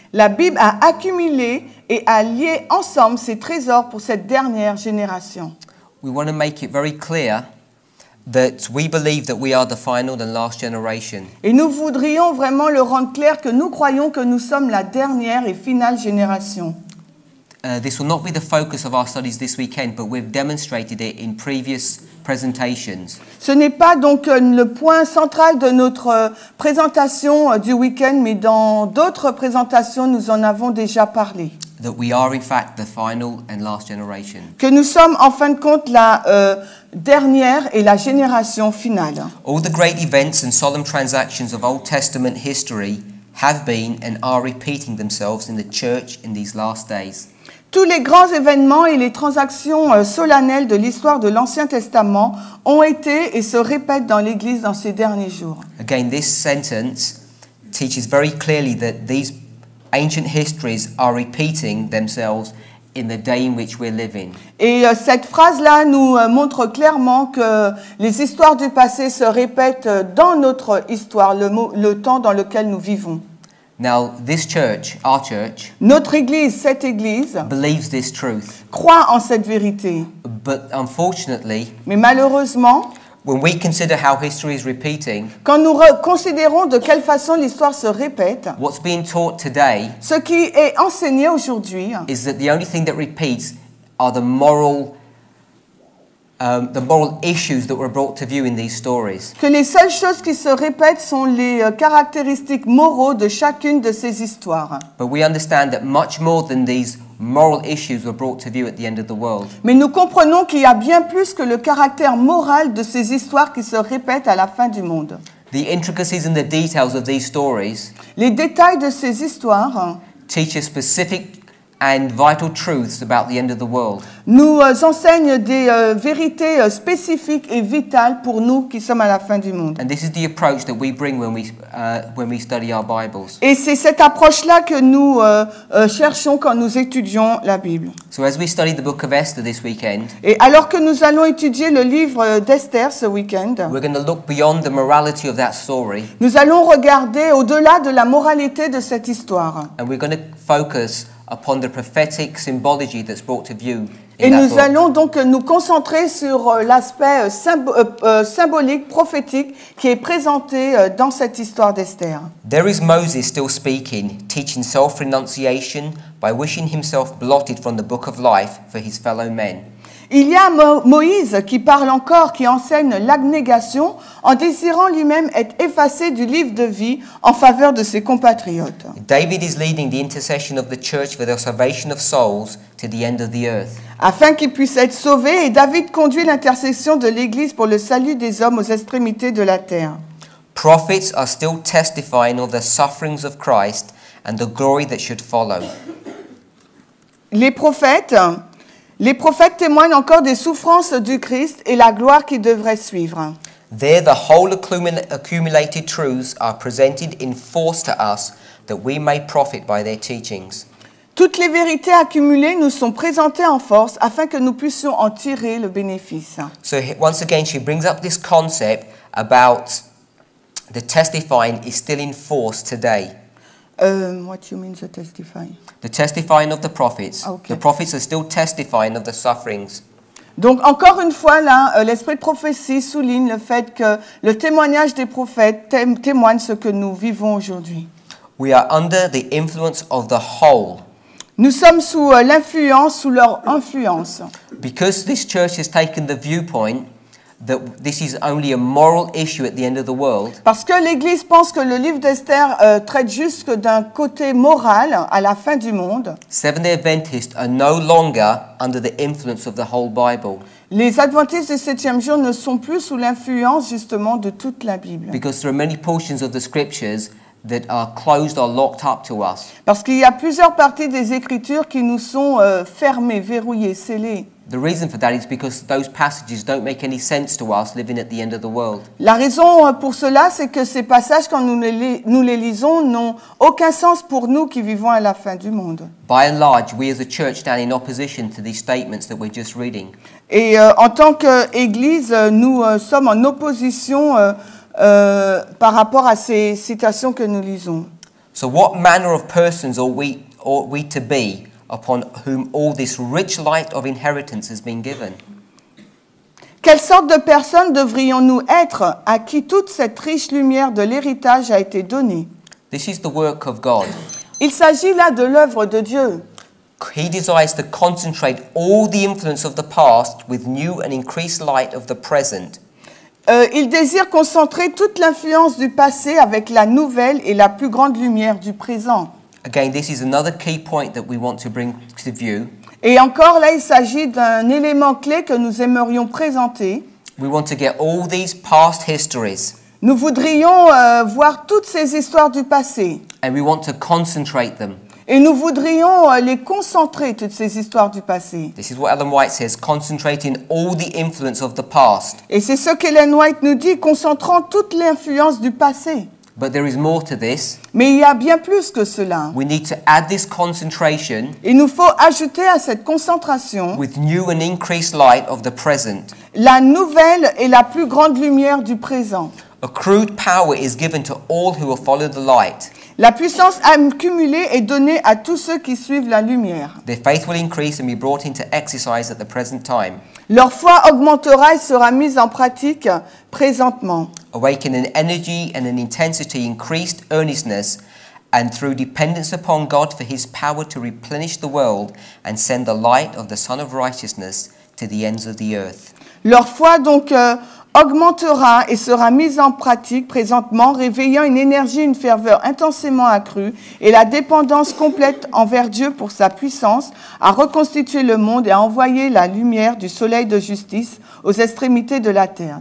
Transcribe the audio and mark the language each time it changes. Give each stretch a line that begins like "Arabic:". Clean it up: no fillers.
French: La Bible a accumulé et a lié ensemble ses trésors pour cette dernière génération.
English: We want to make it very clear that we believe that we are the final and last generation.
French: Et nous voudrions vraiment le rendre clair que nous croyons que nous sommes la dernière et finale génération.
English: This will not be the focus of our studies this weekend, but we've demonstrated it in previous presentations.
French: Ce n'est pas donc le point central de notre présentation du week-end, mais dans d'autres présentations, nous en avons déjà parlé.
English: That we are in fact the final and last generation.
French: Que nous sommes en fin de compte la dernière et la génération finale.
English: All the great events and solemn transactions of Old Testament history have been and are repeating themselves in the church in these last days.
French: Tous les grands événements et les transactions solennelles de l'histoire de l'Ancien Testament ont été et se répètent dans l'Église dans ces derniers jours.
English: Again, this sentence teaches very clearly that these ancient histories are repeating themselves in the day in which we're living.
French: Et cette phrase-là nous montre clairement que les histoires du passé se répètent dans notre histoire, le temps dans lequel nous vivons.
English: Now, this church, our church,
French: notre église, cette église,
English: believes this truth.
French: Croit en cette vérité.
English: But unfortunately,
French: mais malheureusement,
English: when we consider how history is repeating,
French: quand nous considérons de quelle façon l'histoire se répète,
English: what's being taught today,
French: ce qui est enseigné aujourd'hui,
English: is that the only thing that repeats are the moral the moral issues that were brought to view in these stories.
French: Que les seules choses qui se répètent sont les caractéristiques moraux de chacune de ces histoires.
English: But we understand that much more than these moral issues were brought to view at the end of the world.
French: Mais nous comprenons qu'il y a bien plus que le caractère moral de ces histoires qui se répètent à la fin du monde.
English: The intricacies and the details of these stories.
French: Les détails de ces histoires.
English: Teach us specific and vital truths about the end of the world.
French: Nous enseigne des vérités spécifiques et vitales pour nous qui sommes à la fin du monde.
English: And this is the approach that we bring when we study our Bibles.
French: Et c'est cette approche-là que nous cherchons quand nous étudions la Bible.
English: So as we study the book of Esther this weekend.
French: Et alors que nous allons étudier le livre d'Esther ce weekend.
English: We're going to look beyond the morality of that story.
French: Nous allons regarder au-delà de la moralité de cette histoire.
English: And we're going to focus upon the prophetic symbology that's brought to view in
French: et
English: that
French: nous
English: book.
French: Allons donc nous concentrer sur l'aspect symbolique prophétique qui est présenté dans cette histoire d'Esther.
English: There is Moses still speaking, teaching self-renunciation by wishing himself blotted from the book of life for his fellow men.
French: Il y a Moïse qui parle encore, qui enseigne l'abnégation en désirant lui-même être effacé du livre de vie en faveur de ses compatriotes.
English: David is leading the intercession of the church for the salvation of souls to the end of the earth.
French: Afin qu'ils puissent être sauvés, et David conduit l'intercession de l'Église pour le salut des hommes aux extrémités de la terre.
English: Prophets are still testifying of the sufferings of Christ and the glory that should follow.
French: Les prophètes témoignent encore des souffrances du Christ et la gloire qui devrait suivre.
English: There the whole accumulated truths are presented in force to us that we may profit by their teachings.
French: Toutes les vérités accumulées nous sont présentées en force afin que nous puissions en tirer le bénéfice.
English: So once again she brings up this concept about the testifying is still in force today. What do you mean the testifying? The testifying of the prophets. Okay. The prophets are still testifying of the sufferings.
French: Donc encore une fois là, l'esprit de prophétie souligne le fait que le témoignage des prophètes témoigne ce que nous vivons aujourd'hui.
English: We are under the influence of the whole.
French: Nous sommes sous leur influence.
English: Because this church has taken the viewpoint that this is only a moral issue at the end of the world.
French: Parce que l'Église pense que le livre d'Esther traite juste d'un côté moral à la fin du monde.
English: Seventh-day Adventists are no longer under the influence of the whole Bible.
French: Les Adventistes du septième jour ne sont plus sous l'influence justement de toute la Bible.
English: Because there are many portions of the scriptures that are closed or locked up to us.
French: Parce qu'il y a plusieurs parties des Écritures qui nous sont fermées, verrouillées, scellées.
English: The reason for that is because those passages don't make any sense to us living at the end of the world.
French: La raison pour cela, c'est que ces passages, quand nous les lisons, n'ont aucun sens pour nous qui vivons à la fin du monde.
English: By and large, we as a church stand in opposition to these statements that we're just reading.
French: Et en tant qu'Église, nous sommes en opposition par rapport à ces citations que nous lisons.
English: So what manner of persons ought we to be upon whom all this rich light of inheritance has been given?
French: Quelle sorte de personne devrions-nous être à qui toute cette riche lumière de l'héritage a été donnée?
English: This is the work of God.
French: Il s'agit là de l'œuvre de Dieu.
English: He desires to concentrate all the influence of the past with new and increased light of the present.
French: Il désire concentrer toute l'influence du passé avec la nouvelle et la plus grande lumière du présent.
English: Again, this is another key point that we want to bring to view.
French: Et encore là, il s'agit d'un élément clé que nous aimerions présenter.
English: We want to get all these past histories.
French: Nous voudrions voir toutes ces histoires du passé.
English: And we want to concentrate them.
French: Et nous voudrions les concentrer toutes ces histoires du passé.
English: This is what Ellen White says, concentrating all the influence of the past.
French: Et c'est ce qu'Ellen White nous dit, concentrant toute l'influence du passé.
English: But there is more to this.
French: Mais il y a bien plus que cela.
English: We need to add this concentration.
French: Il nous faut ajouter à cette concentration.
English: With new and increased light of the present.
French: La nouvelle et la plus grande lumière du présent.
English: Accrued power is given to all who will follow the light.
French: La puissance accumulée est donnée à tous ceux qui suivent la lumière.
English: Their faith will increase and be brought into exercise at the present time.
French: Leur foi augmentera et sera mise en pratique présentement.
English: Awaken an energy and an intensity, increased earnestness, and through dependence upon God for his power to replenish the world and send the light of the Son of Righteousness to the ends of the earth.
French: Leur foi donc augmentera et sera mise en pratique présentement, réveillant une énergie, une ferveur intensément accrue et la dépendance complète envers Dieu pour sa puissance à reconstituer le monde et à envoyer la lumière du soleil de justice aux extrémités de la terre.